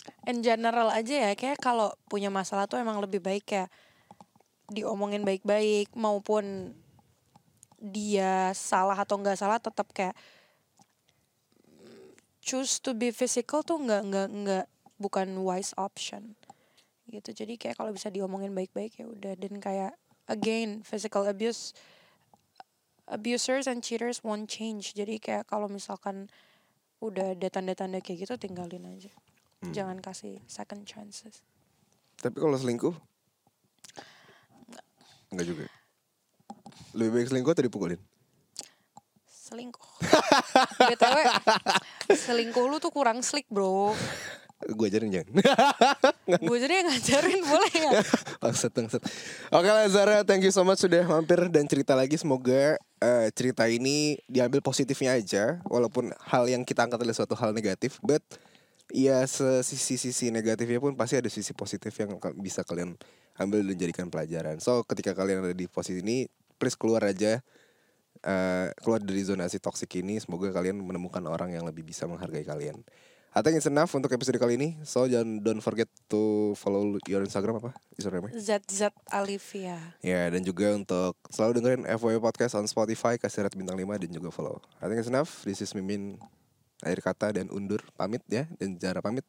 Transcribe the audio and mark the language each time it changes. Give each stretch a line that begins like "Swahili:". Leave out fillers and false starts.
Indonesian: In general aja ya, kayak kalau punya masalah tuh emang lebih baik kayak diomongin baik-baik, maupun dia salah atau enggak salah, tetap kayak
English: choose to be physical
Indonesian: tuh enggak bukan
English: wise option
Indonesian: gitu. Jadi kayak kalau bisa diomongin baik-baik ya udah. Dan kayak
English: again, physical abusers and cheaters won't change.
Indonesian: Jadi kayak kalau misalkan udah ada tanda-tanda kayak gitu, tinggalin aja. Jangan kasih second chances. Tapi kalau selingkuh? Enggak juga. Lebih baik selingkuh atau dipukulin? Selingkuh. BTW, selingkuh lu tuh kurang
English: slick bro.
Indonesian: Gue ajarin jangan. Gue jadi yang ngajarin, boleh gak? Bangsat. Oke lah Zara,
English: thank you so much
Indonesian: sudah mampir dan cerita lagi. Semoga cerita ini diambil positifnya aja, walaupun hal yang kita angkat adalah suatu hal negatif. But ya sisi-sisi negatifnya pun pasti ada sisi positif yang bisa kalian ambil dan jadikan pelajaran. So ketika kalian ada di posisi ini,
English: please
Indonesian: keluar aja, keluar dari zonasi toksik ini. Semoga kalian menemukan orang yang lebih bisa menghargai kalian.
English: I think it's enough
Indonesian: untuk episode kali ini.
English: So don't forget to follow your Instagram, apa?
Indonesian: Instagramnya? ZZAlivia. Ya, yeah, dan juga untuk selalu dengerin FYI Podcast
English: on Spotify,
Indonesian: kasih rate bintang 5 dan juga follow.
English: I think it's enough. This is
Indonesian: Mimin, akhir kata dan undur. Pamit ya, dan Zara pamit.